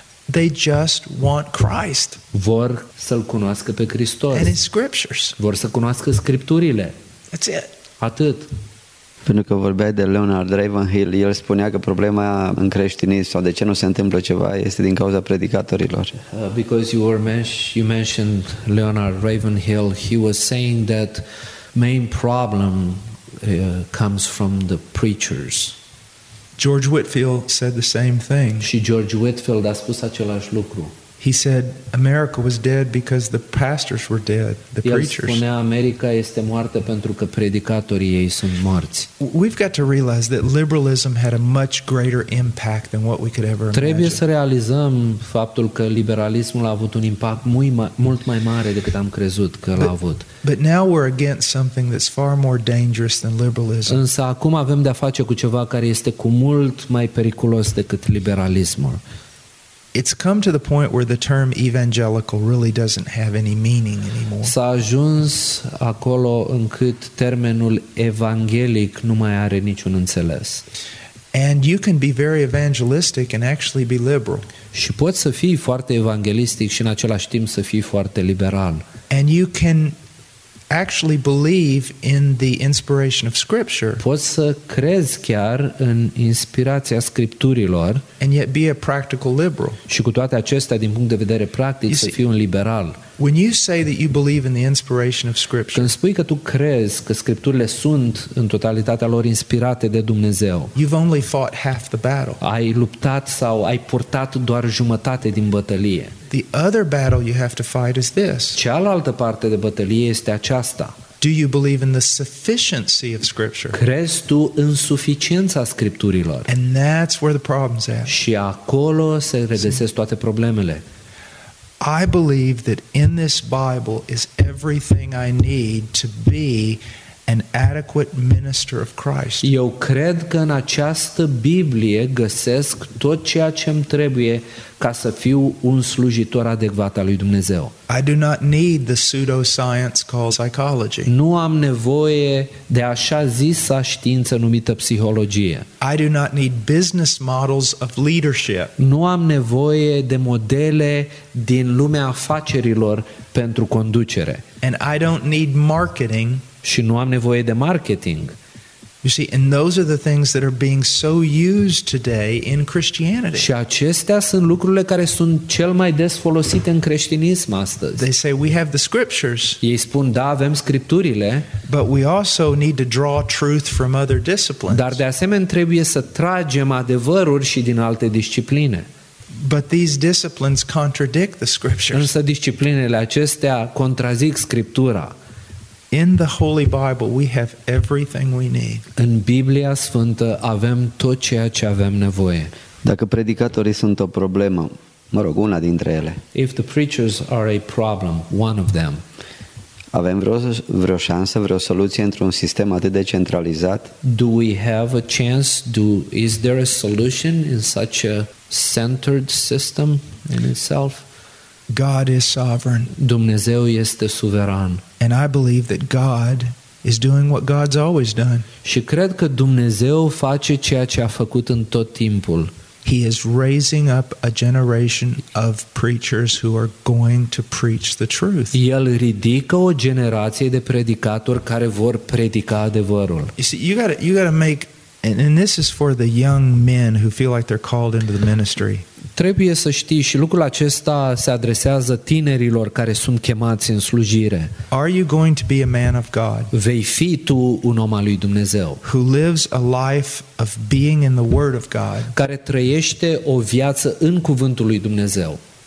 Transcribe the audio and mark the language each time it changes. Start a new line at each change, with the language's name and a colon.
English: They just want Christ.
Romanian: Vor să-l cunoască pe Hristos.
English: And his scriptures.
Romanian: Vor să cunoască scripturile.
English: That's it.
Romanian: Atât. Pentru că vorbeai de Leonard Ravenhill, el spunea că problema în creștinism sau de ce nu se întâmplă ceva este din cauza predicatorilor.
English: Because you mentioned Leonard Ravenhill, he was saying that main problem comes from the preachers. George Whitefield said the same thing.
Romanian: Și George Whitefield a spus același lucru.
English: He said America was dead because the pastors were dead, the preachers.
Romanian: El spunea America este moartă pentru că predicatorii ei sunt morți.
English: We've got to realize that liberalism had a much greater impact than what we could ever imagine.
Romanian: Trebuie să realizăm faptul că liberalismul a avut un impact mult mai mare decât am crezut că l-a avut.
English: But now we're against something that's far more dangerous than liberalism.
Romanian: Însă acum avem de-a face cu ceva care este cu mult mai periculos decât liberalismul.
English: It's come to the point where the term evangelical really doesn't have any meaning anymore.
Romanian: S-a ajuns acolo încât termenul evanghelic nu mai are niciun înțeles.
English: And you can be very evangelistic and actually be liberal.
Romanian: Și poți să fii foarte evanghelistic și în același timp să fii foarte liberal.
English: And you can actually believe in the inspiration of scripture.
Romanian: Poți să crezi chiar în inspirația scripturilor.
English: And yet be a practical liberal.
Romanian: Și cu toate acestea din punct de vedere practic să fii un liberal.
English: When you say that you believe in the inspiration of scripture.
Romanian: Când spui că tu crezi că scripturile sunt în totalitatea lor inspirate de Dumnezeu.
English: You've only fought half the battle.
Romanian: Ai luptat sau ai purtat doar jumătate din bătălie.
English: The other battle you have to fight is this.
Romanian: Cealaltă parte de bătălie este aceasta.
English: Do you believe in the sufficiency of scripture?
Romanian: Crezi tu în suficiența scripturilor?
English: And that's where the problems are.
Romanian: Și acolo se regăsesc toate problemele.
English: I believe that in this Bible is everything I need to be an adequate minister of Christ.
Romanian: Eu cred că în această Biblie găsesc tot ceea ce îmi trebuie ca să fiu un slujitor adecvat al lui Dumnezeu.
English: I do not need the pseudoscience called psychology.
Romanian: Nu am nevoie de așa zisa știință numită psihologie.
English: I do not need business models of leadership.
Romanian: Nu am nevoie de modele din lumea afacerilor pentru conducere.
English: And I don't need marketing.
Romanian: Și nu am nevoie de marketing.
English: You see, and those are the things that are being so used today in Christianity.
Romanian: Și acestea sunt lucrurile care sunt cel mai des folosite în creștinism astăzi.
English: They say we have the scriptures.
Romanian: Ei spun da, avem scripturile.
English: But we also need to draw truth from other disciplines.
Romanian: Dar de asemenea trebuie să tragem adevăruri și din alte discipline.
English: But these disciplines contradict the scriptures.
Romanian: Însă disciplinele acestea contrazic scriptura.
English: In the Holy Bible we have everything we need.
Romanian: În Biblia Sfântă avem tot ceea ce avem nevoie. Dacă predicatorii sunt o problemă, mă rog, una dintre ele.
English: If the preachers are a problem, one of them.
Romanian: Avem vreo șansă, vreo soluție într-un sistem atât de centralizat?
English: Do we have a chance? Is there a solution in such a centered system in itself? God is sovereign.
Romanian: Dumnezeu este suveran.
English: And I believe that God is doing what God's always done.
Romanian: Și cred că Dumnezeu face ceea ce a făcut în tot timpul.
English: He is raising up a generation of preachers who are going to preach the truth.
Romanian: El ridică o generație de predicatori care vor predica adevărul.
English: You got to make, and this is for the young men who feel like they're called into the ministry.
Romanian: Trebuie să știi și lucrul acesta se adresează tinerilor care sunt chemați în slujire.
English: Are you going to be a man of God?
Romanian: Vei fi tu un om al lui Dumnezeu?
English: Who lives a life of being in the Word of God?
Romanian: Care trăiește o viață în cuvântul lui Dumnezeu?